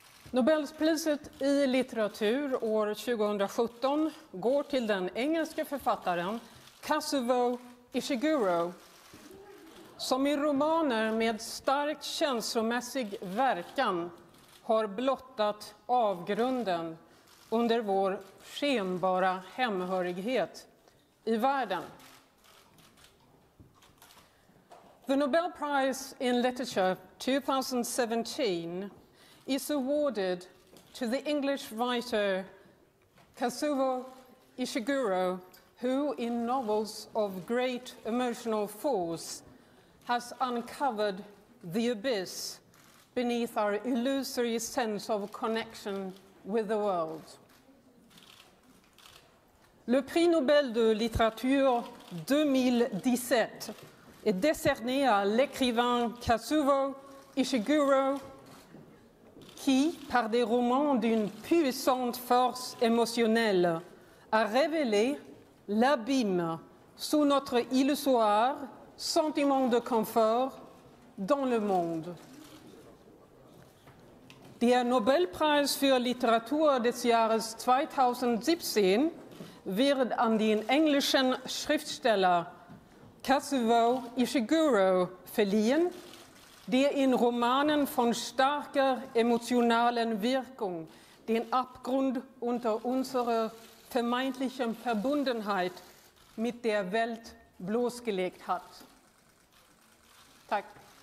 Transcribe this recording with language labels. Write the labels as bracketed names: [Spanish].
[Swedish] Nobelpriset i litteratur år 2017 går till den engelska författaren Kazuo Ishiguro, som i romaner med stark känslomässig verkan har blottat avgrunden under vår skenbara hemhörighet i världen. [English] The Nobel Prize in Literature 2017 is awarded to the English writer Kazuo Ishiguro, who in novels of great emotional force has uncovered the abyss beneath our illusory sense of connection with the world. [French] Le prix Nobel de littérature 2017 est décerné à l'écrivain Kazuo Ishiguro, qui, par des romans d'une puissante force émotionnelle, a révélé l'abîme sous notre illusoire sentiment de confort dans le monde. [German] Der Nobelpreis für Literatur des Jahres 2017 wird an den englischen Schriftsteller Kazuo Ishiguro verliehen, der in Romanen von starker emotionalen Wirkung den Abgrund unter unserer vermeintlichen Verbundenheit mit der Welt bloßgelegt hat. [Swedish] Tack.